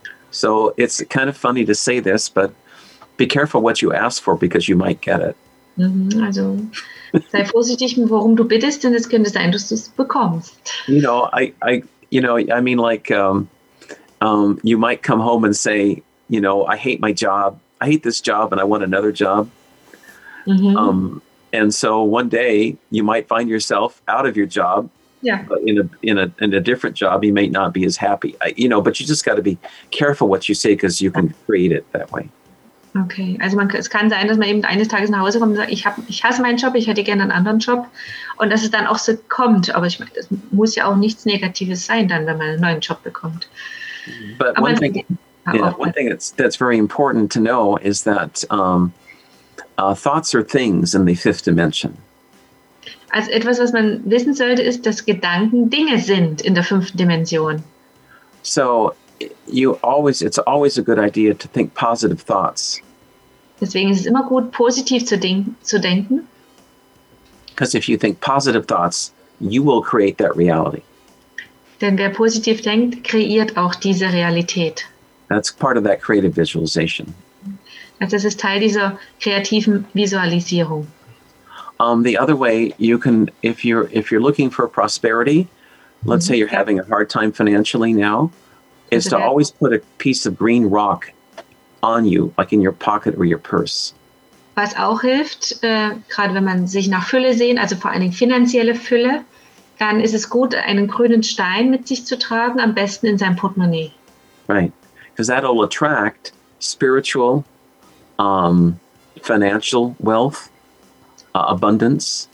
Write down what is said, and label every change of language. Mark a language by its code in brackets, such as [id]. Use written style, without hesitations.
[en] So it's kind of funny to say this, but be careful what you ask for because you might get it. [de] Also sei vorsichtig, worum du bittest, denn es könnte sein, dass du es bekommst. [en] You know, I mean, you might come home and say, you know, I hate my job. I hate this job and I want another job. Mm-hmm. And so one day you might find yourself out of your job. Yeah. But in a different job, you may not be as happy. But you just got to be careful what you say because you can create it that way. [de] Okay, also es kann sein, dass man eben eines Tages nach Hause kommt und sagt, ich hasse meinen Job, ich hätte gerne einen anderen Job. Und dass es dann auch so kommt. Aber ich meine, das muss ja auch nichts Negatives sein dann, wenn man einen neuen Job bekommt. [en] But aber one thing that's very important to know is that thoughts are things in the fifth dimension. [de] Also etwas, was man wissen sollte, ist, dass Gedanken Dinge sind in der fünften Dimension. [en] So, it's always a good idea to think positive thoughts. [de] Deswegen ist es immer gut, positiv zu denken. [en] Because if you think positive thoughts, you will create that reality. [de] Denn wer positiv denkt, kreiert auch diese Realität. [en] That's part of that creative visualization. [de] Also das ist Teil dieser kreativen Visualisierung. [en] The other way you can, if you're looking for prosperity, let's say you're having a hard time financially now, is to always put a piece of green rock on you, like in your pocket or your purse. [de] Was auch hilft, gerade wenn man sich nach Fülle sehen, also vor allen Dingen finanzielle Fülle, dann ist es gut, einen grünen Stein mit sich zu tragen, am besten in seinem Portemonnaie. [en] Right, because that will attract spiritual, financial wealth, abundance.